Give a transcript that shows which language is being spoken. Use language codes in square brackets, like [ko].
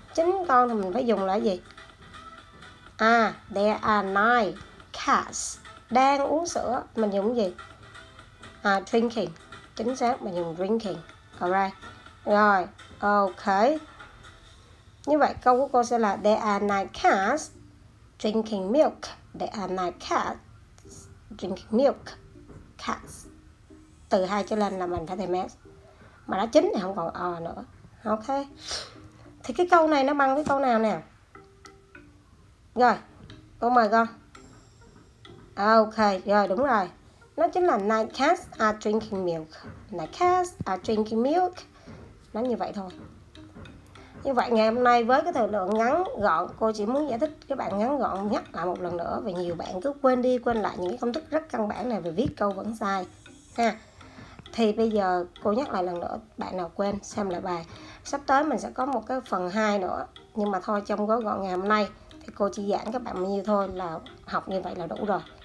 [vi] 9 con thì mình phải dùng là gì? À, [en] there are 9 cats. [vi] Đang uống sữa, mình dùng gì? À, drinking. Chính xác, mình dùng drinking. Alright. Rồi, ok. Như vậy, câu của cô sẽ là [en] there are 9 cats drinking milk. There are 9 cats drinking milk. Cats. [vi] Từ 2 trở lên là mình phải thêm S. Mà đã chín thì không còn O nữa. Ok. Thì cái câu này nó bằng với câu nào nè? Rồi, cô mời con. Ok, rồi đúng rồi. nó chính là [en] night cats are drinking milk. Night cats are drinking milk. [vi] Nó như vậy thôi. Như vậy ngày hôm nay với cái thời lượng ngắn gọn, cô chỉ muốn giải thích các bạn ngắn gọn, nhắc lại một lần nữa vì nhiều bạn cứ quên đi quên lại những cái công thức rất căn bản này về viết câu vẫn sai ha. Thì bây giờ cô nhắc lại lần nữa, bạn nào quên xem lại bài. Sắp tới mình sẽ có một cái phần 2 nữa, nhưng mà thôi trong gói gọn ngày hôm nay thì cô chỉ giảng các bạn nhiều thôi, là học như vậy là đủ rồi.